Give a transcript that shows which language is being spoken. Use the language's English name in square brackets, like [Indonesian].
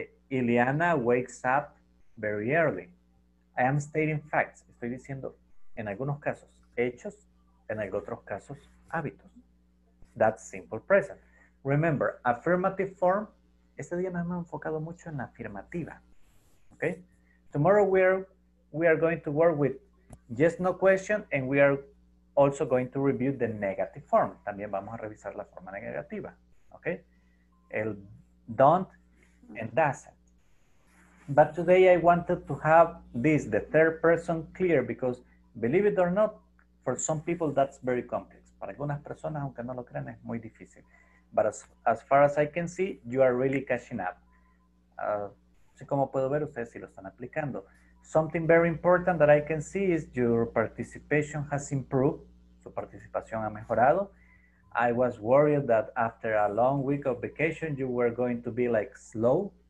[English] Ileana wakes up very early. I am stating facts. [Spanish] Estoy diciendo, en algunos casos, hechos. En otros casos, hábitos. [English] That's simple present. Remember, affirmative form. [Spanish] Este día me hemos enfocado mucho en la afirmativa. ¿Ok? [English] Tomorrow we are going to work with yes, no question, and we are also going to review the negative form. [Spanish] También vamos a revisar la forma negativa. ¿Ok? El don't and doesn't. [English] But today I wanted to have this, the third person, clear, because believe it or not, for some people that's very complex. [Spanish] Para algunas personas, aunque no lo crean, es muy difícil. [English] But as far as I can see, you are really catching up. [Spanish] Así como puedo ver, ustedes sí lo están aplicando. [English] Something very important that I can see is your participation has improved. [Spanish] Su participación ha mejorado. [English] I was worried that after a long week of vacation, you were going to be like slow.